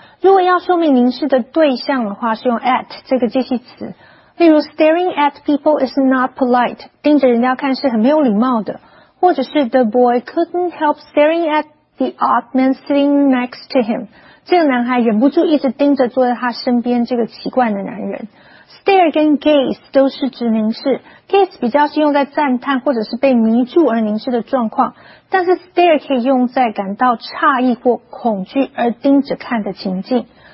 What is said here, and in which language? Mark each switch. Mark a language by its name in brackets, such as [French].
[Chinese] 如果要说明凝视的对象的话，是用 at 这个介系词。例如 [English] staring at people is not polite, [Chinese] 盯着人家看是很没有礼貌的。或者是 [English] the boy couldn't help staring at the odd man sitting next to him. [Chinese] 这个男孩忍不住一直盯着坐在他身边这个奇怪的男人。 Stare 跟 gaze 都是指凝视。 Gaze 比较是用在赞叹或者是被迷住而凝视的状况。但是 stare 可以用在感到诧异或恐惧而盯着看的情境。